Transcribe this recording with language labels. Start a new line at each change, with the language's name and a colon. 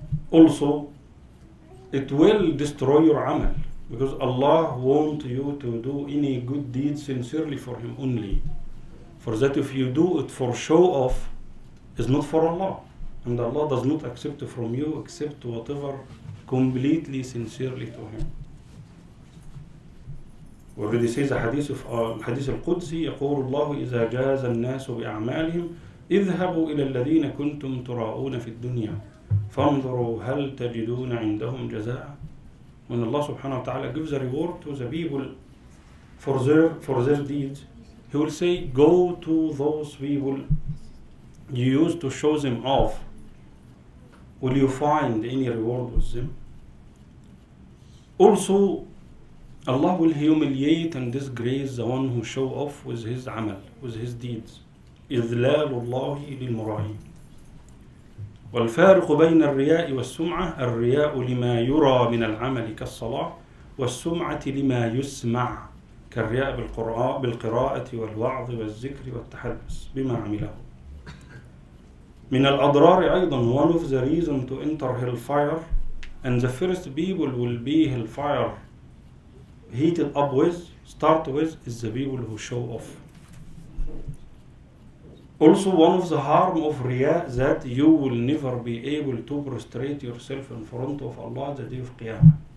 English: Also, it will destroy your amal, because Allah wants you to do any good deeds sincerely for Him only. For that, if you do it for show off, is not for Allah, and Allah does not accept from you except whatever completely sincerely to Him. Already says the hadith of hadith al-Qudsi,
Arabic: يقول الله إذا جاز الناس بأعمالهم اذهبوا إلى الذين كنتم تراؤون في الدنيا فانظروا هل تجدون عندهم جزاء.
English: When Allah subhanahu wa ta'ala gives a reward to the people for their deeds, He will say, go to those people you used to show them off. Will you find any reward with them? Also, Allah will humiliate and disgrace the one who show off with his amal, with his deeds.
Arabic: إذلال الله للمرائي. والفارق بين الرياء والسمعة الرياء لما يرى من العمل كالصلاة والسمعة لما يسمع كالرياء بالقراءة والوعظ والذكر والتحدث بما عمله. من الأضرار أيضا,
English: one of the reasons to enter hellfire, and the first people will be hellfire heated up with, start with, is the people who show off. Also, one of the harm of riya, that you will never be able to prostrate yourself in front of Allah the day of Qiyamah.